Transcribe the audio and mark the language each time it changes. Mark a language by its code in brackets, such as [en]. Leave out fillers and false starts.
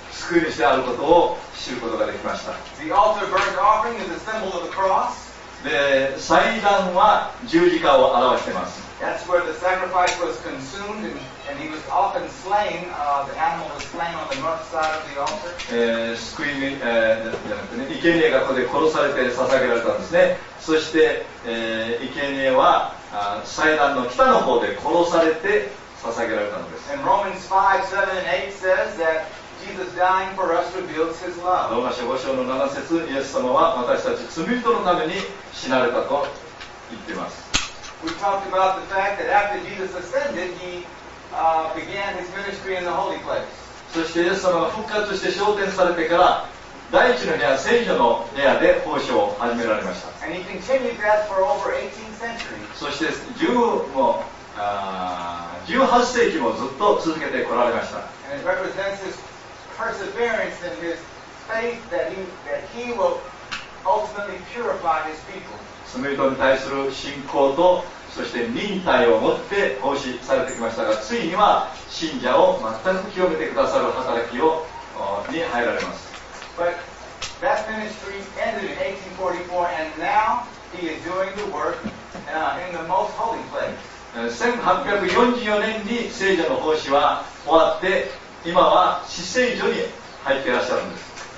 [ja] 救い主であることを知ることができました。 [en] The altar burnt offering is a symbol of the cross. [ja] で祭壇は十字架を表しています。 [en] That's where the sacrifice was consumed and he was often slain. The animal was slain on the north side of the altar. [ja] 救い、生贄がここで殺されて捧げられたんですね。そして、生贄は祭壇の北の方で殺されて捧げられたのです。 [en] And Romans 5, 7 and 8 says that Jesus dying for us reveals his love. [ja] ローマ書5章の7節、イエス様は私たち罪人のために死なれたと言っています。 [en] We talked about the fact that after Jesus ascended, he began his ministry in the holy place. [ja] そしてイエス様が復活して昇天されてから第一の部屋、聖女の部屋で奉仕を始められました。 [en] And he continued that for over 18 centuries. [ja] そして18世紀もずっと続けてこられました。 [en] And it represents his perseverance and his faith that he will ultimately purify his people. [ja] 罪人に対する信仰とそして忍耐を持って奉仕されてきましたが、ついには信者を全く清めてくださる働きに入られます。 [en] But that ministry ended in 1844 and now he is doing the work in the most holy place. [ja] 1844年に聖女の奉仕は終わって、今は至聖所に入っていらっしゃるんです。